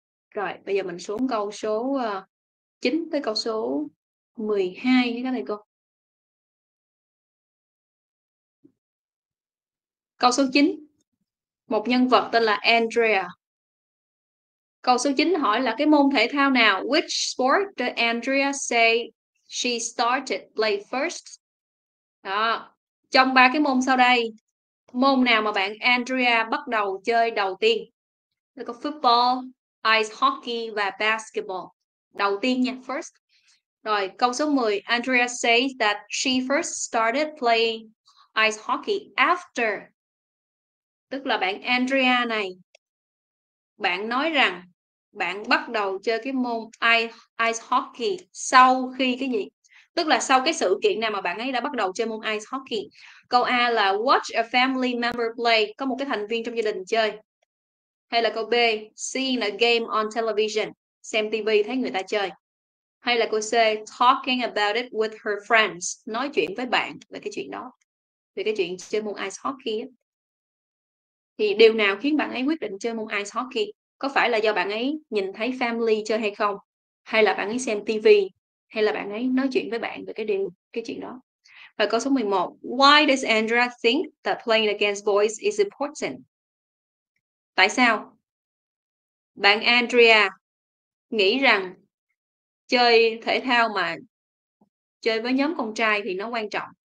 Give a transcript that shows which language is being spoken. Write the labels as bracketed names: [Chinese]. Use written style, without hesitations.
[Vietnamese] Rồi, bây giờ mình xuống câu số 9 tới câu số 12 với các thầy cô. Câu số 9. Một nhân vật tên là Andrea. Câu số 9 hỏi là cái môn thể thao nào? [English] Which sport did Andrea say she started play first? [Vietnamese] Đó. Trong ba cái môn sau đây, môn nào mà bạn Andrea bắt đầu chơi đầu tiên? Là có football, ice hockey và basketball. Đầu tiên nha, first. Rồi, câu số 10. [English] Andrea says that she first started playing ice hockey after. [Vietnamese] Tức là bạn Andrea này, bạn nói rằng bạn bắt đầu chơi cái môn ice hockey sau khi cái gì? Tức là sau cái sự kiện nào mà bạn ấy đã bắt đầu chơi môn ice hockey. Câu A là [English] watch a family member play, [Vietnamese] có một cái thành viên trong gia đình chơi. Hay là câu B, [English] seeing a game on television, [Vietnamese] xem TV thấy người ta chơi. Hay là câu C, [English] talking about it with her friends, [Vietnamese] nói chuyện với bạn về cái chuyện đó. Về cái chuyện chơi môn ice hockey á. Thì điều nào khiến bạn ấy quyết định chơi môn ice hockey? Có phải là do bạn ấy nhìn thấy family chơi hay không? Hay là bạn ấy xem TV? Hay là bạn ấy nói chuyện với bạn về cái chuyện đó? Và câu số 11. [English] Why does Andrea think that playing against boys is important? [Vietnamese] Tại sao? Bạn Andrea nghĩ rằng chơi thể thao mà chơi với nhóm con trai thì nó quan trọng.